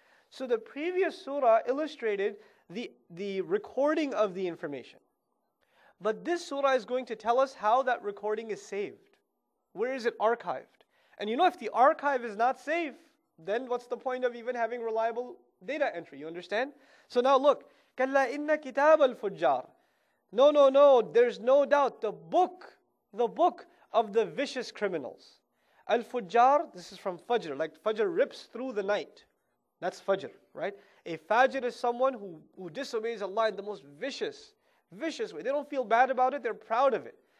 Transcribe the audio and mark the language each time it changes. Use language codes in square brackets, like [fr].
[en] So the previous surah illustrated the recording of the information. But this surah is going to tell us how that recording is saved. Where is it archived? And you know, if the archive is not safe, then what's the point of even having reliable data entry? You understand? So now look. [ar] كَلَّا إِنَّ كِتَابَ الْفُجَّارِ [en] No. There's no doubt. The book of the vicious criminals. Al-Fujjar, this is from Fajr. Like Fajr rips through the night. That's Fajr, right? A Fajr is someone who disobeys Allah in the most vicious way. They don't feel bad about it, they're proud of it.